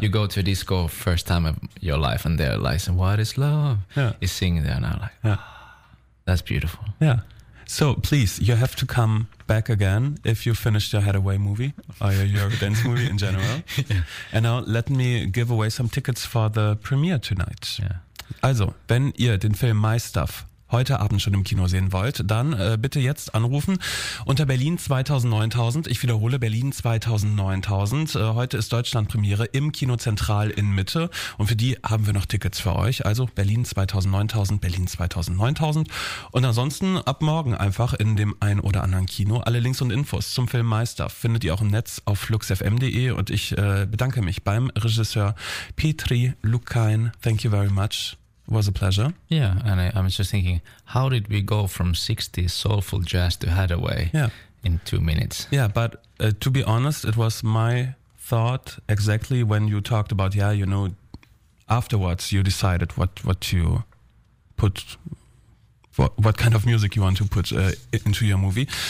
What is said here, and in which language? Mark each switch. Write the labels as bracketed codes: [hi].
[en] You go to a disco first time of your life and they're like, what is love? Yeah. You sing there and I'm like, that's beautiful. Yeah. So please, you have to come back again if you finished your Hathaway movie or your dance movie in general. Yeah. And now let me give away some tickets for the premiere tonight. Yeah. [de] Also, wenn ihr den Film My Stuff heute Abend schon im Kino sehen wollt, dann bitte jetzt anrufen unter Berlin 2009000. Ich wiederhole, Berlin 2009000. Heute ist Deutschlandpremiere im Kino Zentral in Mitte und für die haben wir noch Tickets für euch. Also Berlin 2009000, Berlin 2009000 und ansonsten ab morgen einfach in dem ein oder anderen Kino. Alle Links und Infos zum Film My Stuff findet ihr auch im Netz auf fluxfm.de und ich bedanke mich beim Regisseur Petri Lukain. [en] Thank you very much. Was a pleasure. Yeah, and I was just thinking, how did we go from 60s soulful jazz to Hathaway? Yeah. in 2 minutes. Yeah, but to be honest, it was my thought exactly when you talked about, yeah, you know, afterwards you decided what you put, what kind of music you want to put into your movie.